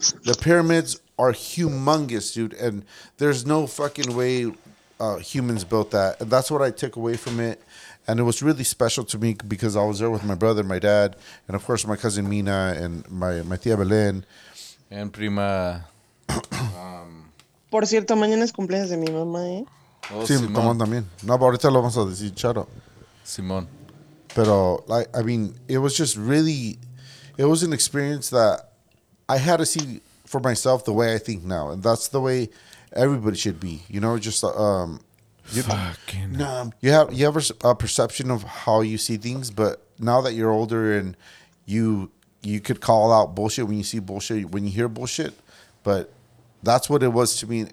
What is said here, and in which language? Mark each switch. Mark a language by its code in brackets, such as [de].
[en] The pyramids are humongous, dude, and there's no fucking way humans built that. And that's what I took away from it. And it was really special to me because I was there with my brother, my dad, and of course my cousin Mina and my tia Belén. And prima. [es] Por cierto, mañana es cumpleaños de mi mamá, ¿eh? Oh, sí, Simón también. No, pero ahorita lo vamos a decir, Charo. Simón. [en] Pero, like, I mean, it was just really, it was an experience that I had to see for myself the way I think now. And that's the way everybody should be. You know, just, you have a perception of how you see things, but now that you're older and you could call out bullshit when you see bullshit, when you hear bullshit, but that's what it was to me.